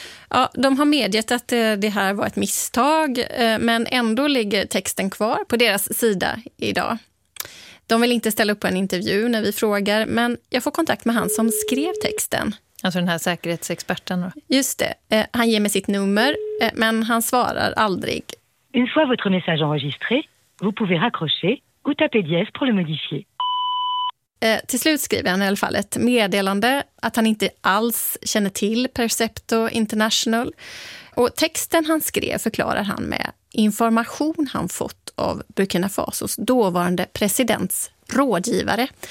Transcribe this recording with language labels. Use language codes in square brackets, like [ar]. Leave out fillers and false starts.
[sv] Ja, de har medgett att det här var ett misstag, men ändå ligger texten kvar på deras sida idag. De vill inte ställa upp på en intervju när vi frågar, men jag får kontakt med han som skrev texten. Alltså den här säkerhetsexperten då? Just det. Han ger mig sitt nummer, men han svarar aldrig. [fr] Une fois votre message enregistré, vous pouvez raccrocher ou taper dièse pour le modifier. [sv] Till slut skriver han i alla fall ett meddelande att han inte alls känner till Percepto International. Och texten han skrev förklarar han med information han fått av Burkina Fasos dåvarande presidents rådgivare.